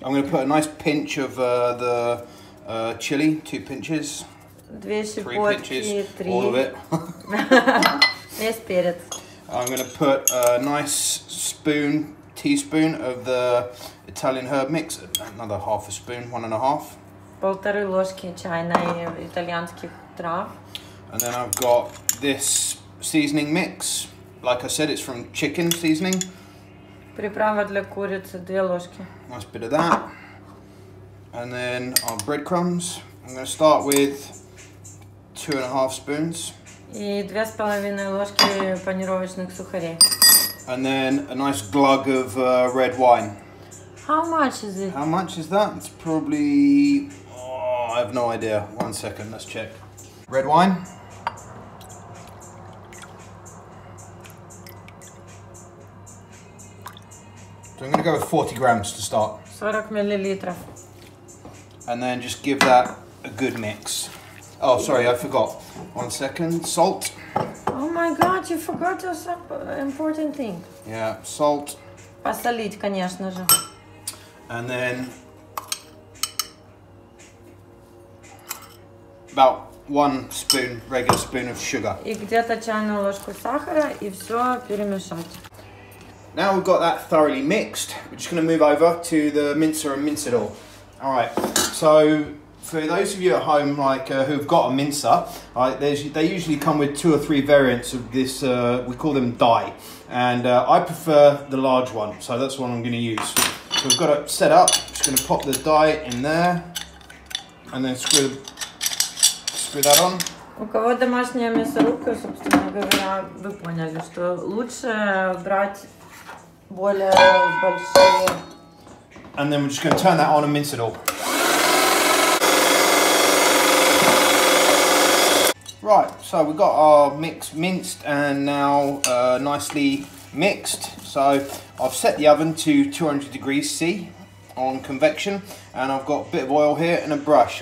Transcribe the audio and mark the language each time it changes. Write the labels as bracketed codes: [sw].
[en] I'm going to put a nice pinch of the chili, 2 pinches. [ru] 2 щепотки, 3 весь перец. [en] I'm going to put a nice spoon, teaspoon of the Italian herb mix, another half a spoon, 1.5. [ru] Полторы ложки чайной итальянских трав. [en] And then I've got this seasoning mix. Like I said, it's from chicken seasoning. [ru] Приправа для курицы, 2 ложки. [en] Nice bit of that. And then our breadcrumbs. I'm going to start with 2.5 spoons. [ru] И 2.5 ложки панировочных сухарей. [en] And then a nice glug of red wine. How much is it? How much is that? It's probably, I have no idea. One second, let's check. Red wine. So I'm gonna go with 40 grams to start. [ru] 40 миллилитров. [en] And then just give that a good mix. Oh, sorry, I forgot. One second, salt. Oh my God, you forgot your important thing. Yeah, salt. [ru] Посолить, конечно же. [en] And then about 1 spoon, regular spoon of sugar. [ru] И где-то чайную ложку сахара, и все перемешать. [en] Now we've got that thoroughly mixed, we're just going to move over to the mincer and mince it all. All right, so for those of you at home, like who've got a mincer, they usually come with 2 or 3 variants of this. We call them die, and I prefer the large one, so that's what I'm going to use. So we've got it set up. Just going to pop the die in there. And then screw that on. [ru] У кого домашнее мясорубка, собственно говоря, вы поняли, что лучше брать более большие. [en] And then we're just going to turn that on and mince it all. Right, so we've got our mix minced and now nicely mixed. So I've set the oven to 200 degrees C on convection, and I've got a bit of oil here and a brush.